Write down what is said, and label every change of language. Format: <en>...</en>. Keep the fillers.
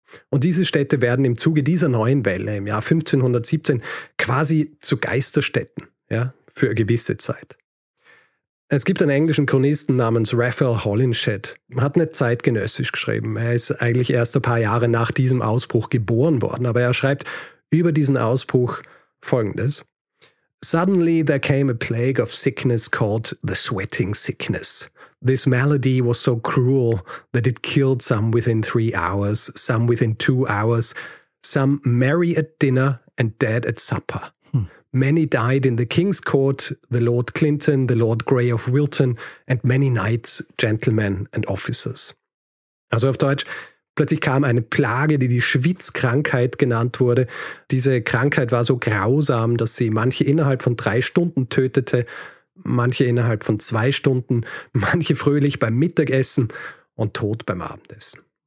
<de>Und diese Städte werden im Zuge dieser neuen Welle im Jahr 1517 quasi zu Geisterstädten, ja, für eine gewisse Zeit. Es gibt einen englischen Chronisten namens Raphael Holinshed, hat nicht zeitgenössisch geschrieben. Er ist eigentlich erst ein paar Jahre nach diesem Ausbruch geboren worden, aber er schreibt über diesen Ausbruch folgendes.</de> <en>Suddenly there came a plague of sickness called the sweating sickness. This malady was so cruel that it killed some within three hours, some within two hours, some merry at dinner and dead at supper. Many died in the king's court, the Lord Clinton, the Lord Grey of Wilton and many knights, gentlemen and officers.</en> <de>Also auf Deutsch, plötzlich kam eine Plage, die die Schwitzkrankheit genannt wurde. Diese Krankheit war so grausam, dass sie manche innerhalb von drei Stunden tötete, manche innerhalb von zwei Stunden, manche fröhlich beim Mittagessen und tot beim Abendessen.</de>